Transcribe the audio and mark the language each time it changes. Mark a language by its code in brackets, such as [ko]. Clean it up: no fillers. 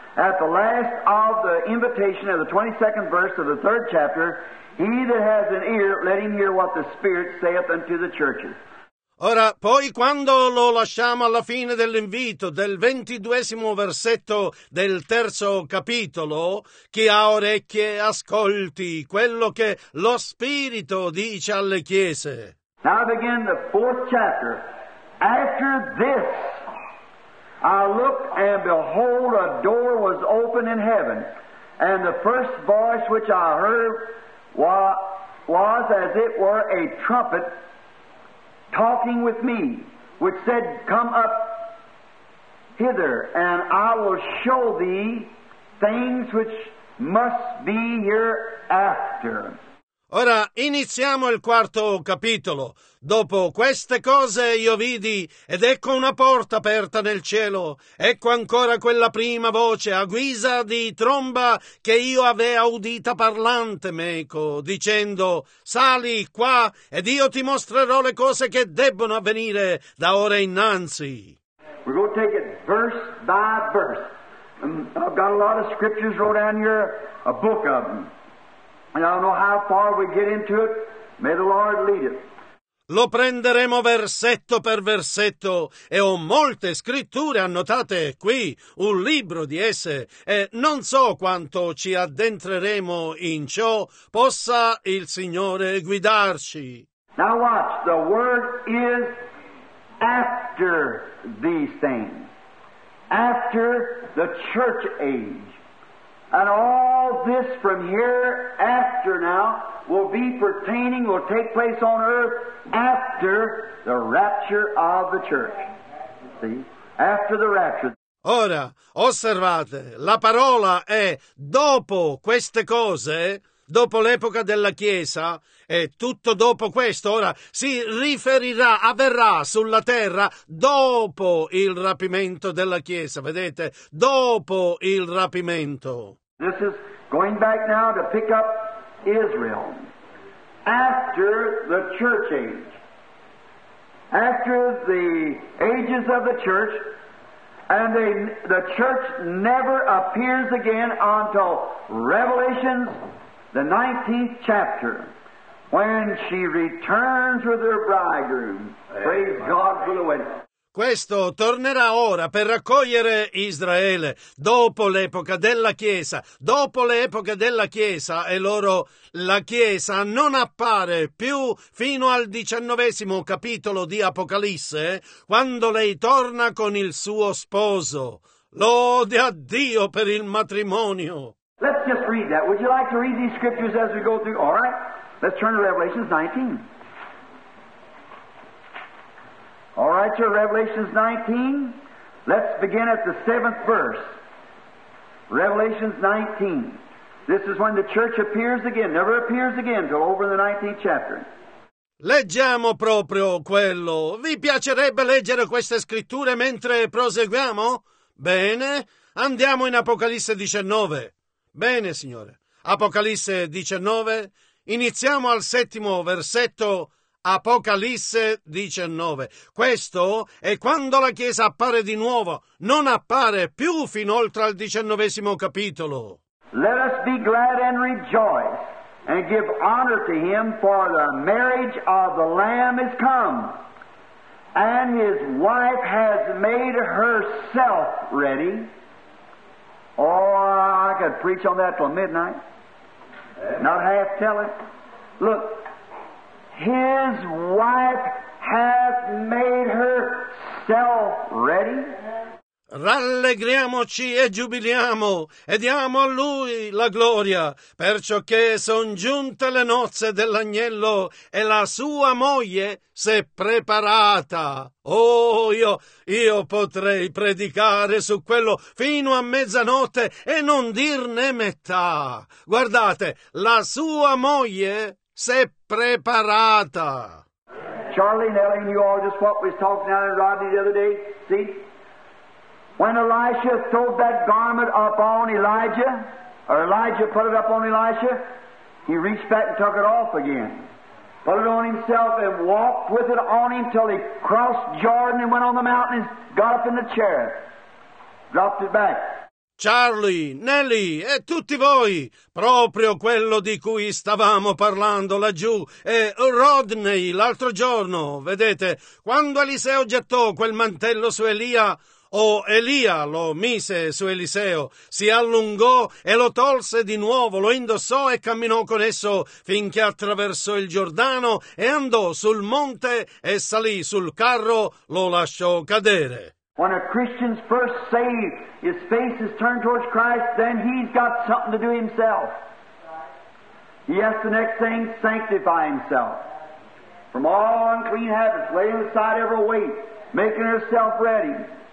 [en] At the last of the invitation of the 22nd verse of the 3rd chapter, he that has an ear, let him hear what the Spirit saith unto the churches. [it] Ora, poi quando lo lasciamo alla fine dell'invito, del 22esimo versetto del 3° capitolo, chi ha orecchie ascolti quello che lo Spirito dice alle chiese. [en] Now begin the 4th chapter. After this, I looked, and behold, a door was open in heaven, and the first voice which I heard was as it were a trumpet talking with me, which said, come up hither, and I will show thee things which must be hereafter. [it] Ora iniziamo il 4° capitolo. Dopo queste cose io vidi, ed ecco una porta aperta nel cielo. Ecco ancora quella prima voce, a guisa di tromba, che io avea udita parlante meco, dicendo, sali qua, ed io ti mostrerò le cose che debbono avvenire da ora innanzi. [en] We're going to take it verse by verse. I've got a lot of scriptures wrote down here, a book of them. And I don't know how far we get into it. May the Lord lead it. [it] Lo prenderemo versetto per versetto e ho molte scritture annotate qui, un libro di esse, e non so quanto ci addentreremo in ciò, possa il Signore guidarci. [en] Now watch, the word is after these things, after the church age. And all this from hereafter now will be pertaining, will take place on earth after the rapture of the church. See? After the rapture. [it] Ora, osservate, la parola è dopo queste cose. dopo l'epoca della Chiesa, e tutto dopo questo, ora, si riferirà, avverrà sulla terra dopo il rapimento della Chiesa, vedete? Dopo il rapimento. [en] This is going back now to pick up Israel after the church age. After the ages of the church, and the church never appears again until Revelation, the 19th chapter, when she returns with her bridegroom. Praise God for the wedding. [it] Questo tornerà ora per raccogliere Israele dopo l'epoca della Chiesa. Dopo l'epoca della Chiesa e loro, la Chiesa non appare più fino al 19° capitolo di Apocalisse, quando lei torna con il suo sposo. Lode a Dio per il matrimonio. [en] Let's just read that. Would you like to read these scriptures as we go through? All right. Let's turn to Revelation 19. All right, your Revelation 19. Let's begin at the 7th verse. Revelation 19. This is when the church appears again. Never appears again till over the 19th chapter. [it] Leggiamo proprio quello. Vi piacerebbe leggere queste scritture mentre proseguiamo? Bene, andiamo in Apocalisse 19. Bene, signore. Apocalisse 19. Iniziamo al 7° versetto. Apocalisse 19. Questo è quando la Chiesa appare di nuovo. Non appare più fin oltre al 19° capitolo. [en] Let us be glad and rejoice and give honor to him, for the marriage of the Lamb is come, and his wife has made herself ready. Oh, I could preach on that till midnight. Not half tell it. Look. His wife hath made herself ready. [it] Rallegriamoci e giubiliamo e diamo a lui la gloria, perciò che son giunte le nozze dell'agnello e la sua moglie s'è preparata. Oh, io potrei predicare su quello fino a mezzanotte e non dirne metà. Guardate, la sua moglie s'è preparata. [en] Charlie, Nellie, and you all, just what we was talking about in Rodney the other day, see? When Elisha throwed that garment up on Elijah, or Elijah put it up on Elisha, he reached back and took it off again. Put it on himself and walked with it on him till he crossed Jordan and went on the mountain and got up in the chair. Dropped it back. [it] Charlie, Nelly e tutti voi, proprio quello di cui stavamo parlando laggiù, e Rodney l'altro giorno, vedete, quando Eliseo gettò quel mantello su Elia, o Elia lo mise su Eliseo, si allungò e lo tolse di nuovo, lo indossò e camminò con esso finché attraversò il Giordano e andò sul monte e salì sul carro, lo lasciò cadere. [en] When a Christian's first saved, his face is turned towards Christ, then he's got something to do himself. He has the next thing, sanctify himself. From all unclean habits, laying aside every weight, making herself ready.